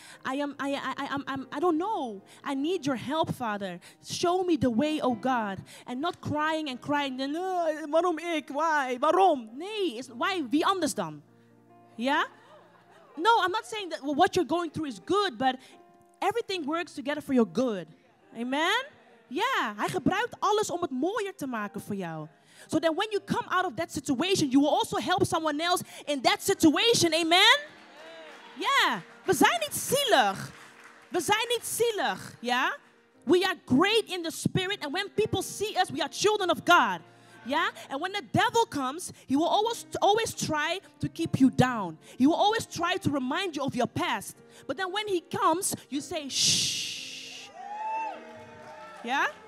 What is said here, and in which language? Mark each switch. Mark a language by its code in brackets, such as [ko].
[en] I don't know. I need your help, Father. Show me the way, oh God. And not crying and crying. [nl] Waarom ik? [en] Why? [nl] Waarom? Nee, [en] it's why? [nl] Wie anders dan? Yeah? [en] No, I'm not saying that what you're going through is good, but everything works together for your good. Amen? [nl] Yeah, Hij gebruikt alles om het mooier te maken voor jou. [en] So then when you come out of that situation, you will also help someone else in that situation. Amen? [nl] Yeah. We zijn niet zielig. We zijn niet zielig. Yeah? [en] We are great in the spirit, and when people see us, we are children of God. Yeah? And when the devil comes, he will always try to keep you down. He will always try to remind you of your past. But then when he comes, you say, shh. Yeah?